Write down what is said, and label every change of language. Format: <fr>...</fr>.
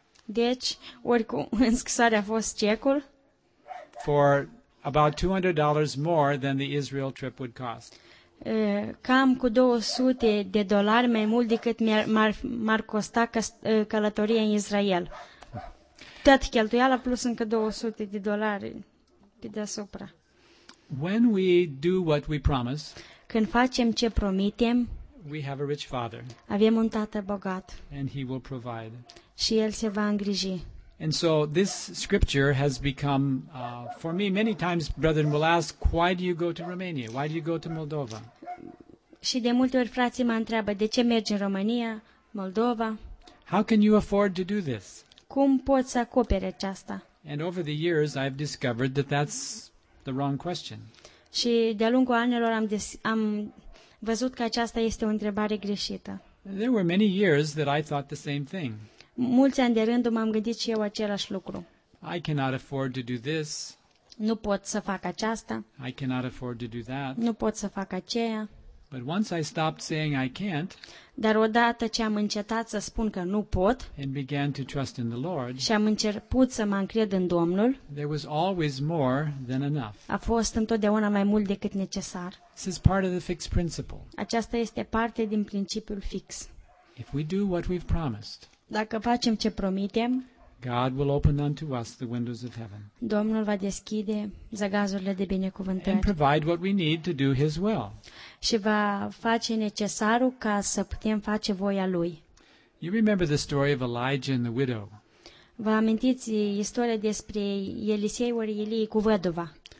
<ro>Deci, oricum, în scrisoare a fost cecul.</ro> <en>For about $200 more than the Israel trip would cost.</en> <ro>Cam cu $200 mai mult decât m-ar costa călătoria în Israel. Toată cheltuiala plus încă $200 pe deasupra.</ro> <en>When we do what we promise,</en> <ro>când facem ce promitem,</ro> <en>we have a rich father.</en> <ro>Avem un tată bogat.</ro> <en>And he will provide.</en> <ro>Și el se va îngriji.</ro> <en>And so this scripture has become for me many times brethren will ask why do you go to Romania? Why do you go to Moldova?</en> <ro>Și de multe ori frații mă întreabă de ce mergi în România, Moldova?</ro> <en>How can you afford to do this?</en> <ro>Cum poți să acoperi aceasta?</ro> <en>And over the years I've discovered that that's the wrong question.</en> <ro>Și de-a lungul anilor am văzut că aceasta este o întrebare greșită.</ro> <en>There were many years that I thought the same thing.</en> <ro>Mulți ani de rând m-am gândit și eu același lucru.</ro> <en>I cannot afford to do this.</en> <ro>Nu pot să fac aceasta.</ro> <en>I cannot afford to do that.</en> <ro>Nu pot să fac aceea.</ro> <en>But once I stopped saying I can't,</en> <ro>dar odată ce am încetat să spun că nu pot,</ro> <en>and began to trust in the Lord,</en> <ro>și am început să mă încred în Domnul,</ro> <en>there was always more than enough.</en> <ro>A fost întotdeauna mai mult decât necesar.</ro> <en>This is part of the fixed principle.</en> <ro>Aceasta este parte din principiul fix.</ro> <en>If we do what we've promised,</en> <ro>dacă facem ce promitem,</ro> <en>God will open unto us the windows of heaven.</en> <ro>Domnul va deschide zăgazurile de binecuvântare.</ro> <en>And provide what we need to do His will.</en> <ro>Și va face necesarul ca să putem face voia Lui.</ro> <en>You remember the story of Elijah and the widow?</en> <ro>Vă amintiți istoria despre Eliseiul Elie cu văduva?</ro>